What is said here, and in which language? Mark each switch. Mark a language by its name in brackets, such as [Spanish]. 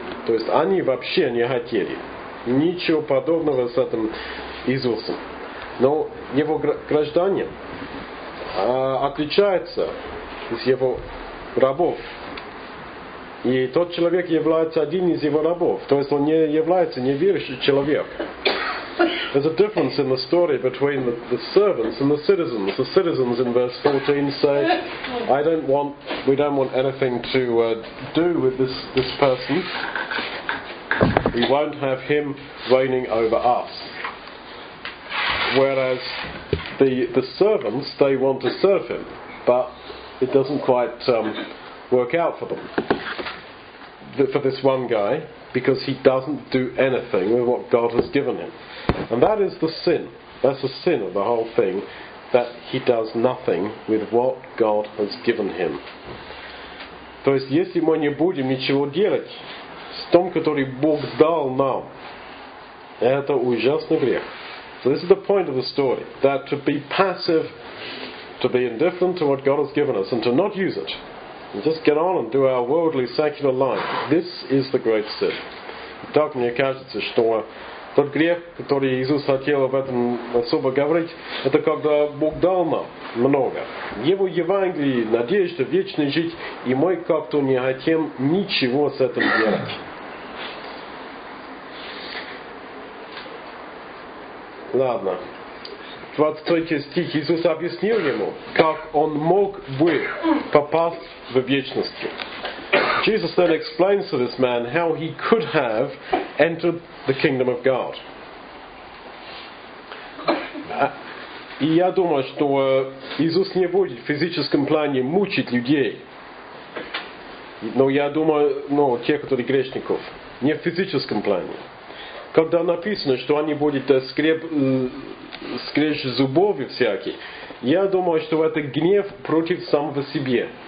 [Russian] То есть они вообще не хотели ничего подобного с этим Иисусом. Но его граждане отличаются из его рабов. И тот человек является один из его рабов. То есть он не является неверующий человек. [English] There's a difference in the story between the servants and the citizens. The citizens in verse 14 say, "We don't want anything to do with this person. We won't have him reigning over us." Whereas the servants, they want to serve him, but it doesn't quite work out for them. For this one guy, because he doesn't do anything with what God has given him. And that is the sin. That's the sin of the whole thing, that he does nothing with what God has given him. [Russian] То есть, если мы не будем ничего делать с тем, который Бог дал нам, это ужасный грех. [English] So this is the point of the story, that to be passive, to be indifferent to what God has given us, and to not use it, and just get on and do our worldly, secular life, this is the great sin. [Russian] Так мне кажется, что тот грех, который Иисус хотел об этом особо говорить, это когда Бог дал нам много. Его Евангелие, надежда, вечная жизнь, и мы как-то не хотим ничего с этим делать. Ладно. 23 стих. Иисус объяснил ему, как он мог бы попасть в вечность. [English] Jesus then explains to this man how he could have entered the kingdom of God. [Russian] И я думаю, что Иисус не будет в физическом плане мучить людей. Но я думаю, ну, тех, которые грешников, не в физическом плане. Когда написано, что они будут скрежь зубов всякие, я думаю, что это гнев против самого себя.